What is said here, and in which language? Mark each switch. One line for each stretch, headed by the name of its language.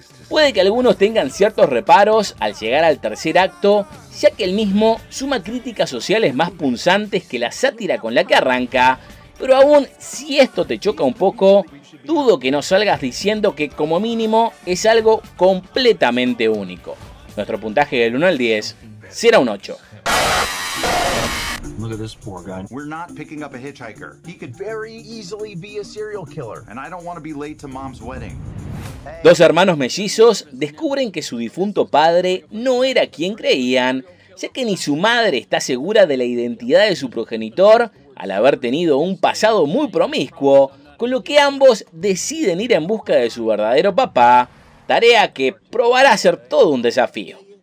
Spanish: Puede que algunos tengan ciertos reparos al llegar al tercer acto, ya que el mismo suma críticas sociales más punzantes que la sátira con la que arranca, pero aún si esto te choca un poco, dudo que no salgas diciendo que como mínimo es algo completamente único. Nuestro puntaje del 1 al 10 será un 8.
English: Look at this poor guy. We're not picking up a hitchhiker. He could very easily be a serial killer, and I don't want to be late to mom's wedding.
Spanish: Dos hermanos mellizos descubren que su difunto padre no era quien creían, ya que ni su madre está segura de la identidad de su progenitor al haber tenido un pasado muy promiscuo, con lo que ambos deciden ir en busca de su verdadero papá, tarea que probará ser todo un desafío.